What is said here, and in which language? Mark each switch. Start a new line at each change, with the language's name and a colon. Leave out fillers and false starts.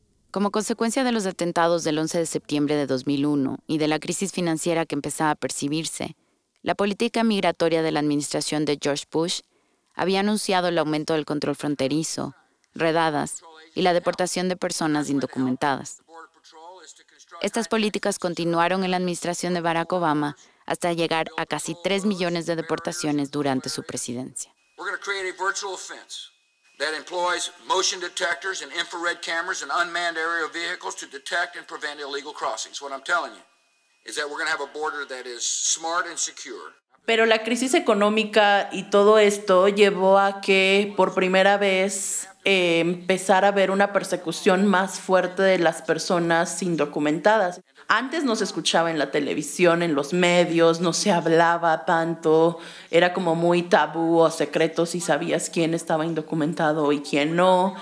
Spanish: Como consecuencia de los atentados del 11 de septiembre de 2001 y de la crisis financiera que empezaba a percibirse, la política migratoria de la administración de George Bush había anunciado el aumento del control fronterizo, redadas y la deportación de personas indocumentadas. Estas políticas continuaron en la administración de Barack Obama hasta llegar a casi 3 millones de deportaciones durante su presidencia.
English: We're going to create a virtual fence that employs motion detectors and infrared cameras and unmanned aerial vehicles to detect and prevent illegal crossings. What I'm telling you is that we're going to have a border that is smart and secure.
Spanish: Pero la crisis económica y todo esto llevó a que por primera vez empezar a ver una persecución más fuerte de las personas indocumentadas. Antes no se escuchaba en la televisión, en los medios, no se hablaba tanto, era como muy tabú o secreto si sabías quién estaba indocumentado y quién no.